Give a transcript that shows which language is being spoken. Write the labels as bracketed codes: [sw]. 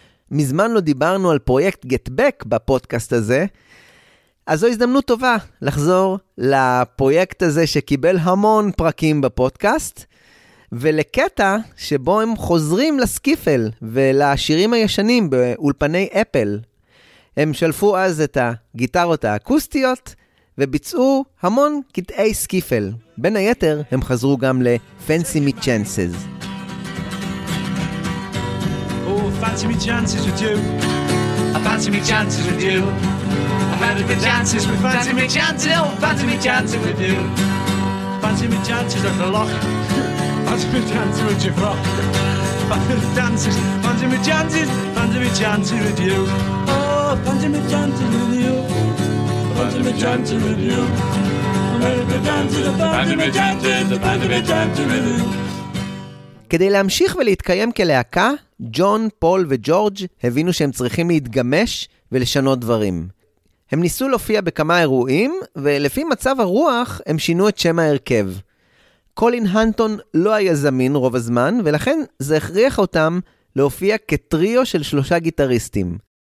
[he] מזמן לא דיברנו על פרויקט Get Back בפודקאסט הזה, אז זו הזדמנות טובה לחזור לפרויקט הזה שקיבל המון פרקים בפודקאסט, ולקטע שבו הם חוזרים לסקיפל ולשירים הישנים באולפני אפל. הם שלפו אז את הגיטרות האקוסטיות וביצעו המון קטעי סקיפל. בין היתר הם חזרו גם ל-Fancy Me Chances. [en] Oh, fancy me chances with you. I fancy me chances with you. I had a good chances with fancy me chances. Oh, fancy me chances with you. Fancy me chances at the lock. Fancy me chances with you, rock. Fancy me chances. Fancy me chances with you. Fancy me dancing with you. Fancy me dancing with you. Fancy me dancing. Fancy me dancing. Fancy me dancing with you. [he] כדי להמשיך ולהתקיים כלהקה, ג'ון, פול וג'ורג' הבינו שהם צריכים להתגמש ולשנות דברים. הם ניסו להופיע בכמה אירועים, ולפי מצב הרוח הם שינו את שם ההרכב. קולין הנטון לא היה זמין רוב הזמן, ולכן זה הכריח אותם להופיע כטריו של שלושה גיטריסטים.